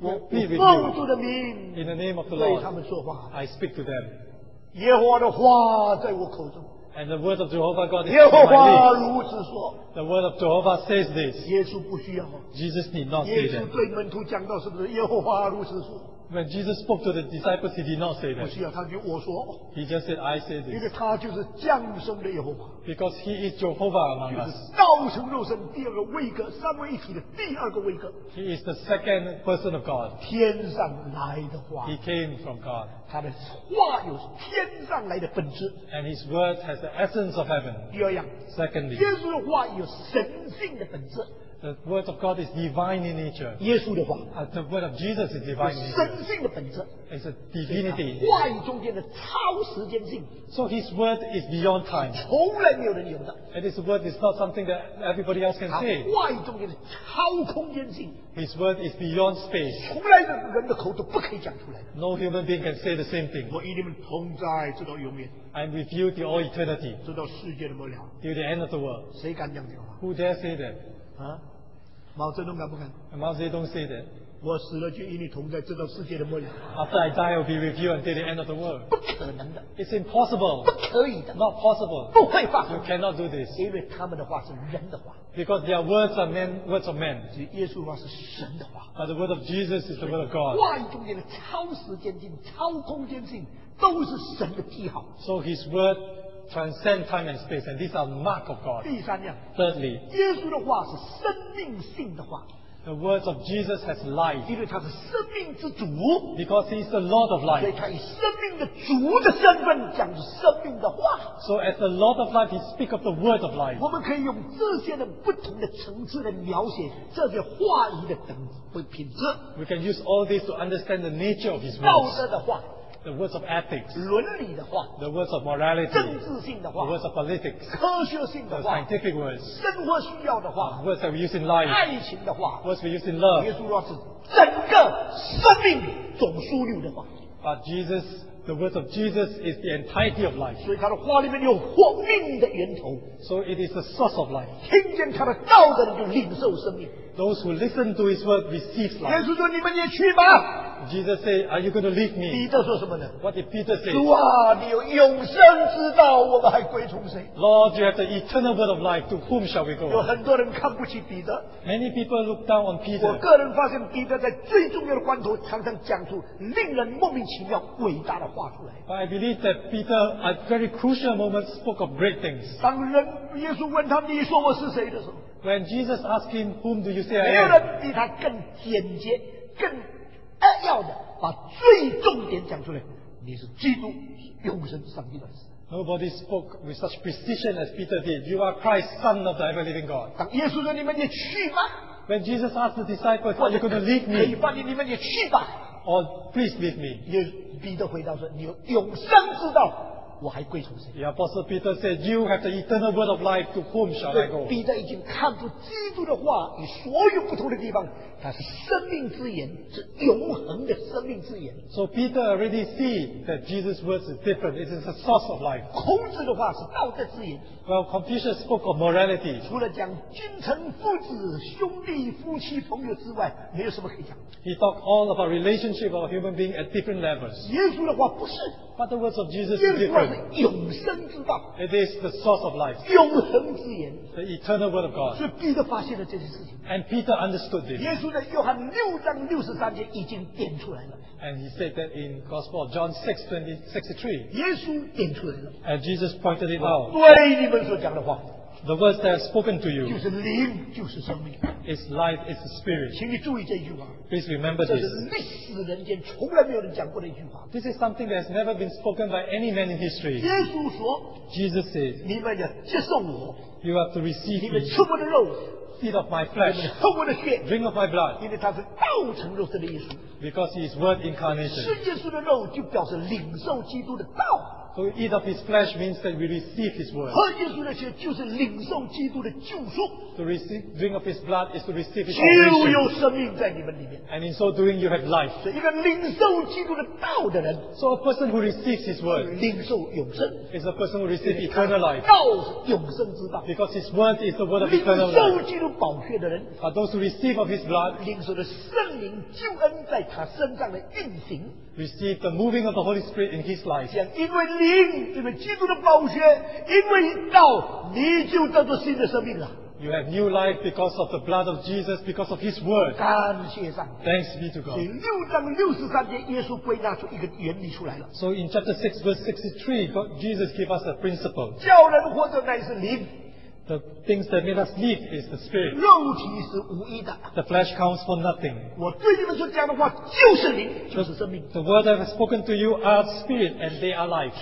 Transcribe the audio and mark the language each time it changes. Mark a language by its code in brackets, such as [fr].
[en] plead with you in the name of the Lord. I speak to them. And the word of Jehovah God is in my lips. The word of Jehovah says this. Jesus need not say that. When Jesus spoke to the disciples, he did not say that. [zh] 不是啊,他就我说, [en] he just said, I say this. [zh] 因为他就是降生的耶和华, [en] because he is Jehovah among us. [zh] 道成肉身, 第二个位格, 三位一体的第二个位格, [en] he is the second person of God. [zh] 天上来的话, [en] he came from God. [zh] 他的话有天上来的本质, [en] and his word has the essence of heaven. [zh] 第二样, [en] secondly, [zh] 耶稣的话有神性的本质, [en] the word of God is divine in nature. [zh] 耶稣的话, [en] the word of Jesus is divine in nature. [zh] 神性的本质, [en] it's a divinity. [zh] 话语中间的超时间性, [en] so his word is beyond time. [zh] 从来没有人有的, [en] and his word is not something that everybody else can say. [zh] 话语中间的超空间性, [en] his word is beyond space. [zh] 从来人的口都不可以讲出来的, [en] no human being can say the same thing. [zh] 我与你们同在, [en] I'm with you to all eternity. [zh] 直到世界的末了, [en] till the end of the world. [zh] 谁敢讲这话? [en] Who dare say that? [zh] 毛泽东敢不敢? [en] Mao Zedong say that. [zh] 我死了就与你同在, [en] after I die, I'll be with you until the end of the world. [zh] 不可能的, [en] it's impossible. [zh] 不可以的, [en] not possible. [zh] 不会发, [en] you cannot do this. [zh] 因为他们的话是人的话, [en] because their words are men, words of men. [zh] 只耶稣的话是神的话, [en] but the word of Jesus is the word of God. [zh] 话语中间的超时间性, 超空间性, 都是神的记号, [en] so his word transcend time and space, and these are mark of God. [zh] 第三样, [en] thirdly, [zh] 耶稣的话是生命性的话, [en] the words of Jesus has life. [zh] 因为他是生命之主, [en] because he is the Lord of life. [zh] 所以他以生命的主的身份讲生命的话, [en] so as the Lord of life, he speaks of the word of life. [zh] 我们可以用这些的不同的层次来描写这些话语的等会品质, [en] we can use all this to understand the nature of his words. [zh] 道德的话, [en] the words of ethics, [zh] 伦理的话, [en] the words of morality, [zh] 政治性的话, [en] the words of politics, [zh] 科学性的话, [en] the scientific words, [zh] 生活需要的话, [en] the words that we use in life, [zh] 爱情的话, [en] the words we use in love. [zh] 耶稣说是整个生命总枢纽的话, [en] but Jesus, the words of Jesus is the entirety of life. [zh] 所以他的话里面有活命的源头, [en] so it is the source of life. [zh] 听见他的道的人就领受生命, [en] those who listen to his word receive life. [zh] 耶稣说你们也去吧, [en] Jesus said, are you going to leave me? [zh] 彼得说什么呢? [en] What did Peter say? [zh] 主啊, 你有永生之道, [en] Lord, you have the eternal word of life. To whom shall we go? [zh] 有很多人看不起彼得, [en] many people look down on Peter. [zh] 我个人发现彼得在最重要的关头常常讲出令人莫名其妙伟大的话出来, [en] but I believe that Peter at very crucial moments spoke of great things. [zh] 当耶稣问他你说我是谁的时候, [en] when Jesus asked him, whom do you say I am? [zh] 没有人比他更简洁, 更扼要的把最重点讲出来，你是基督，永生上帝的子。 [en] Nobody spoke with such precision as Peter did. You are Christ, Son of the ever living God. [zh] 当耶稣说你们也去吧, [en] when Jesus asked the disciples, are you going to leave me? [zh] 可以吧,你们也去吧, [en] or please leave me. [zh] 彼得回答说你有永生之道, [en] the apostle Peter said, you have the eternal word of life, to whom shall I go? [zh] 彼得已经看出基督的话与所有不同的地方，它是生命之源，是永恒的生命之源。 [en] So Peter already see that Jesus' words is different. It is a source of life. [zh] 孔子的话是道德之言。 [en] Well, Confucius spoke of morality. [zh] 除了讲君臣、父子、兄弟、夫妻、朋友之外，没有什么可以讲。 [en] He talked all about relationship of human being at different levels. [zh] 耶稣的话不是。 [en] But the words of Jesus is different. [zh] 永生之道, [en] it is the source of life. [zh] 永恒之言, [en] the eternal word of God. [zh] 是彼得发现了这件事情, [en] and Peter understood this. [zh] 耶稣在约翰六章六十三节已经点出来了, [en] and he said that in Gospel of John 6:63. [zh] 耶稣点出来了, [en] and Jesus pointed it out. [zh] 对你们所讲的话, [en] the words that have spoken to you, [zh] 就是灵, 就是生命, [en] is life, is the spirit. [zh] 请你注意这句话, [en] please remember this. [zh] 这是历史人间从来没有人讲过的一句话, [en] this is something that has never been spoken by any man in history. [zh] 耶稣说, [en] Jesus said, [zh] 你们要接受我, [en] you have to receive me. [zh] 你们吃我的肉, [en] eat of my flesh, [zh] 你们喝我的血, [en] drink of my blood. [zh] 因为他是道成肉身的意思, [en] because he is word incarnation. [zh] 吃耶稣的肉, 就表示领受基督的道, [en] so eat of his flesh means that we receive his word. [zh] 喝耶稣的血就是领受基督的救赎, [en] to receive, drink of his blood is to receive his salvation, and in so doing you have life. [zh] 一个领受基督的道的人, [en] so a person who receives his word is a person who receives eternal life, [zh] 道永生之道, [en] because his word is the word of eternal life. [zh] 领受基督宝血的人, [en] but those who receive of his blood, [zh] 领受的圣灵救恩在他身上的运行, [en] receive the moving of the Holy Spirit in his life. [zh] 因为灵, 因为基督的宝血, 因为道, 你就得到新的生命了。 [en] You have new life because of the blood of Jesus, because of His word. Thanks be to God. [zh] 6章63节，耶稣归纳出一个原理出来了。 [en] So in chapter 6 verse 63, God, Jesus gave us a principle. [zh] 叫人活着乃是灵。 [en] The things that made us live is the spirit. [zh] 肉体是无益的。 [en] The flesh counts for nothing. [zh] 我对你们所讲的话就是生命。 [en] The word I have spoken to you are spirit and they are life.